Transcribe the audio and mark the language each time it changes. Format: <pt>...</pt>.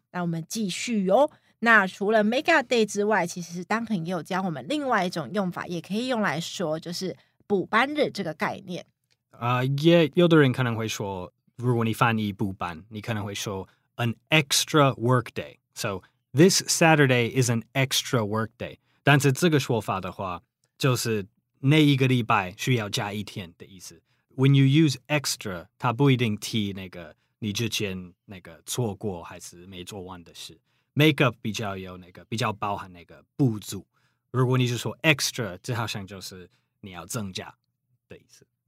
<zh>那我们继续哦。那除了 makeup day 之外，其实当肯也有教我们另外一种用法，也可以用来说就是补班日这个概念。有的人可能会说，如果你翻译补班，你可能会说</zh> <en>an extra work day. So this Saturday is an extra work day.</en> <zh>但是这个说法的话，就是那一个礼拜需要加一天的意思。</zh> <en>When you use extra,</en> <zh>它不一定提那个你之前那个错过还是没做完的事。 Makeup 比较有那个，比较包含那个不足。如果你就说 extra, 这好像就是你要增加的意思。</zh>